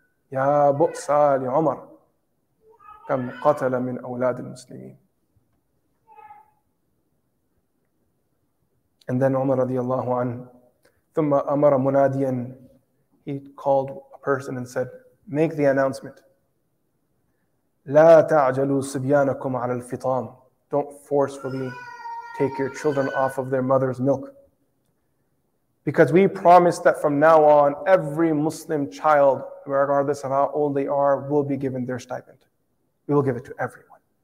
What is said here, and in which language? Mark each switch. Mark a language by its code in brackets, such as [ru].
[ar] Ya bu'sa li Umar, kam qatala min awlad al-muslimin. [en] And then Umar radiallahu an, [ar] thumma amara munadiyan, [en] he called a person and said, make the announcement. [ar] لا تعجلوا سبيانكم على الفطام. [en] Don't forcefully take your children off of their mother's milk. Because we promise that from now on, every Muslim child, regardless of how old they are, will be given their stipend. We will give it to everyone.